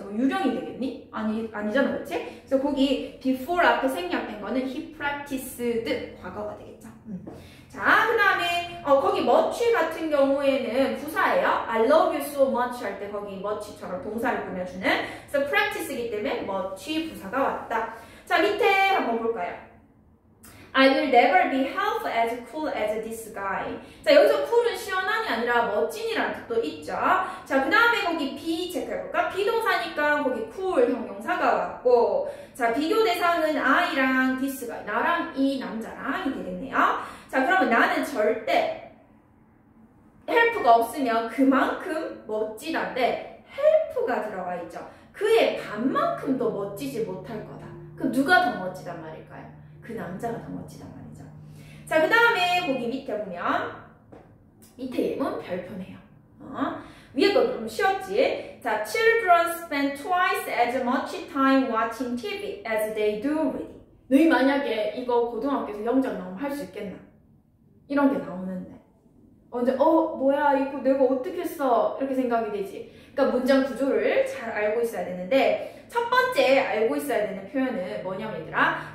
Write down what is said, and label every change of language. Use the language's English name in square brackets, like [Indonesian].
[Korean] 뭐 유령이 되겠니? 아니잖아, 그렇지? 그래서 거기 before 앞에 생략된 거는 [English] he practiced [Korean] 과거가 되겠죠. 자, 그다음에 거기 much 같은 경우에는 부사예요. [English] I love you so much [Korean] 할때 거기 much처럼 동사를 보내주는. 그래서 practice이기 때문에 much 부사가 왔다. 자, 밑에 한번 볼까요? [English] I will never be half as cool as this guy. [Korean] 자, 여기서 cool은 시원함이 아니라 멋진이라는 뜻도 있죠. 자, 그 다음에 거기 be 체크해볼까? be 동사니까 거기 cool 형용사가 왔고, 자, 비교 대상은 I랑 this guy, 나랑 이 남자랑이 되겠네요. 자, 그러면 나는 절대 help가 없으면 그만큼 멋진한데 help가 들어가 있죠. 그의 반만큼도 멋지지 못할 거다. 그럼 누가 더 멋지단 말일까요? 그 남자가 더 멋지단 말이죠. 자, 그 다음에 거기 밑에 보면 밑에 예문 별표네요. 위에 거 너무 쉬웠지? [English] 자, children spend twice as much time watching TV as they do reading. [Korean] 너희 만약에 이거 고등학교에서 영장 나오면 할 수 있겠나? 이런 게 나오는데 언제 뭐야 이거 내가 어떻게 했어? 이렇게 생각이 되지. 그러니까 문장 구조를 잘 알고 있어야 되는데 첫 번째 알고 있어야 되는 표현은 뭐냐 얘들아?